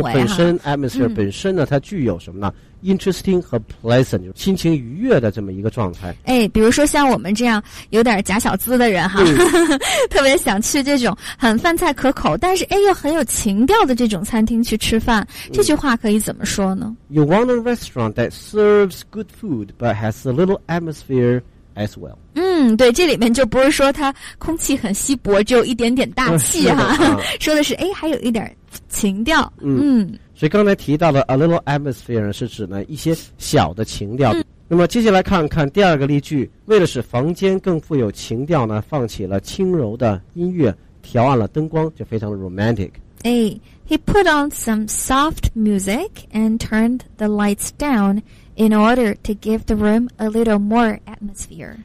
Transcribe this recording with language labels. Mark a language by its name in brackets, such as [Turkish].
[Chinese] 是的、啊、本身 atmosphere、嗯、本身呢它具有什么呢？interesting 和 pleasant， 就是心情愉悦的这么一个状态。哎，比如说像我们这样有点假小资的人哈，特别想去这种很饭菜可口但是哎又很有情调的这种餐厅去吃饭，这句话可以怎么说呢？ [English] You want a restaurant that serves good food but has a little atmosphereas well。 [Chinese] 嗯，对，这里面就不是说它空气很稀薄只有一点点大气哈、啊、说的是哎还有一点情调。嗯， 嗯，所以刚才提到的 [English] a little atmosphere [Chinese] 是指呢一些小的情调、嗯、那么接下来看看第二个例句，为了使房间更富有情调呢，放起了轻柔的音乐，调暗了灯光，就非常的 romantic。 [English] 哎， He put on some soft music and turned the lights downIn order to give the room a little more atmosphere.